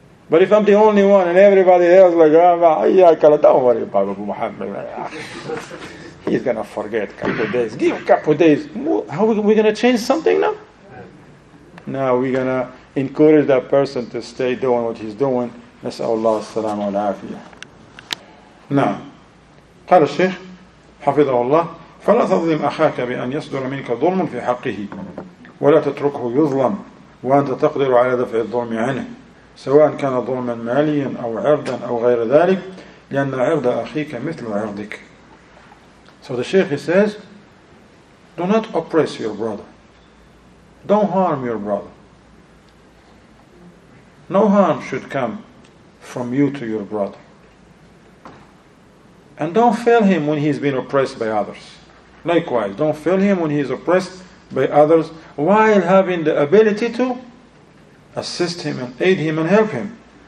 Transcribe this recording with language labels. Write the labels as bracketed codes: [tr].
[en] But if I'm the only one and everybody else like, don't worry about Abu Muhammad. He's going to forget a couple of days. Give a couple of days. How are we going to change something now? Now we're going to encourage that person to stay doing what he's doing. [ar] Nas'al Allah as-salamu al-afiyah. Now, قال الشيخ حفظه الله فلا تظلم أخاك بأن يصدر منك ظلم في حقه ولا تتركه يظلم وأنت تقدر على دفع الظلم عنه سواء كان ظلما ماليا أو عرضا أو غير ذلك لأن عرض أخيك مثل عرضك. [en] So the Sheikh, he says, do not oppress your brother. Don't harm your brother. No harm should come from you to your brother. And don't fail him when he's been oppressed by others. Likewise, don't fail him when he's oppressed by others while having the ability to assist him and aid him and help him.